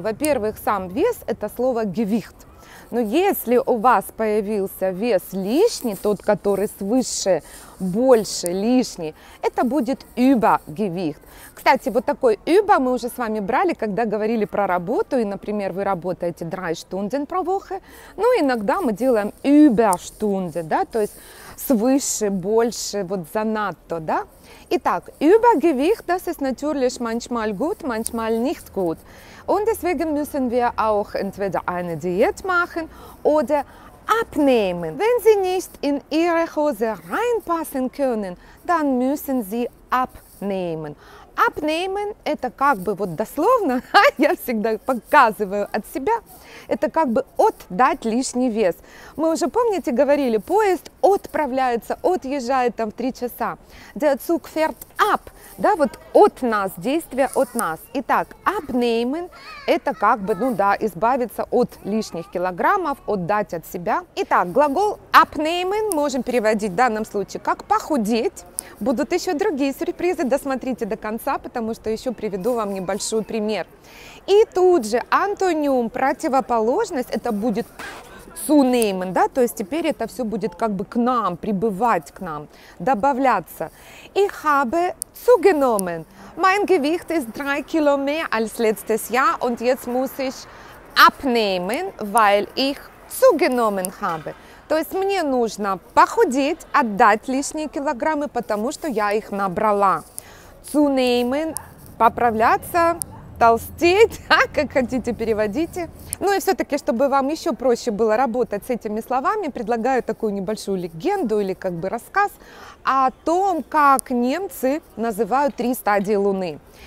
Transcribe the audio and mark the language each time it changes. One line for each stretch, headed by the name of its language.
Russian: Во-первых, сам вес – это слово «gewicht». Но если у вас появился вес лишний, тот, который свыше, больше, лишний, это будет «übergewicht». Кстати, вот такой «über» мы уже с вами брали, когда говорили про работу, и, например, вы работаете
German: 3 Stunden pro Woche,
Russian: ну, иногда мы делаем «überstunden», да, то есть свыше, больше, вот за надто, да? Итак,
German: übergewicht, das ist natürlich manchmal gut, manchmal nicht gut. Und deswegen müssen wir auch entweder eine Diät machen oder abnehmen. Wenn Sie nicht in Ihre Hose reinpassen können, dann müssen Sie abnehmen.
Russian: Abnehmen – это как бы вот дословно, я всегда показываю от себя, это как бы отдать лишний вес. Мы уже, помните, говорили, поезд отправляется, отъезжает там в 3 часа.
German: Der Zug fährt ab,
Russian: да, вот от нас, действие от нас. Итак, abnehmen – это как бы, ну да, избавиться от лишних килограммов, отдать от себя. Итак, глагол abnehmen можем переводить в данном случае как похудеть. Будут еще другие сюрпризы, досмотрите до конца, потому что еще приведу вам небольшой пример. И тут же антоним, противоположность, это будет zunehmen, да, то есть теперь это все будет как бы к нам, прибывать к нам, добавляться.
German: Ich habe zugenommen, mein Gewicht ist 3 Kilo mehr als letztes Jahr und jetzt muss ich abnehmen, weil ich zugenommen habe.
Russian: То есть мне нужно похудеть, отдать лишние килограммы, потому что я их набрала. Zunehmen – поправляться, толстеть, как хотите, переводите. Ну и все-таки, чтобы вам еще проще было работать с этими словами, предлагаю такую небольшую легенду или как бы рассказ о том, как немцы называют 3 стадии Луны.